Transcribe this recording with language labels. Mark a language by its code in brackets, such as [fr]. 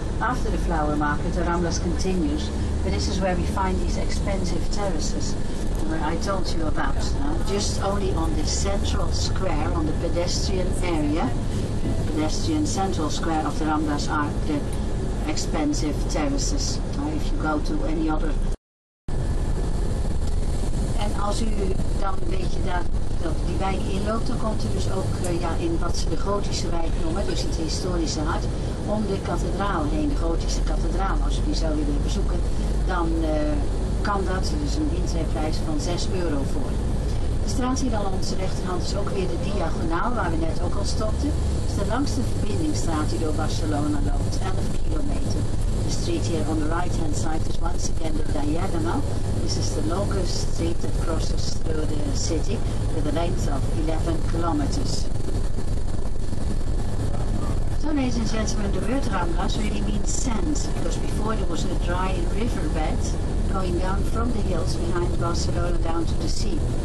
[en] After the flower market, the Ramblas continues, but this is where we find these expensive terraces where I told you about. Just only on the central square, on the pedestrian area, the pedestrian central square of the Ramblas are the expensive terraces. If you go to any other. [nl] En als u dan een beetje daar die wijk inloopt, dan komt u dus ook in wat ze de gotische wijk noemen, dus het historische hart, om de kathedraal heen, de gotische kathedraal. Als u die zou willen bezoeken, dan kan dat, dus een intreeprijs van €6 voor. De straat hier aan onze rechterhand is ook weer de Diagonaal, waar we net ook al stopten. Het is de langste verbindingsstraat die door Barcelona loopt, 11 kilometer. [en] The street here on the right-hand side is once again the Diagonal. This is the longest street that crosses through the city with a length of 11 kilometers. So ladies and gentlemen, the word Ramblas really means sand, because before there was a dry riverbed going down from the hills behind Barcelona down to the sea.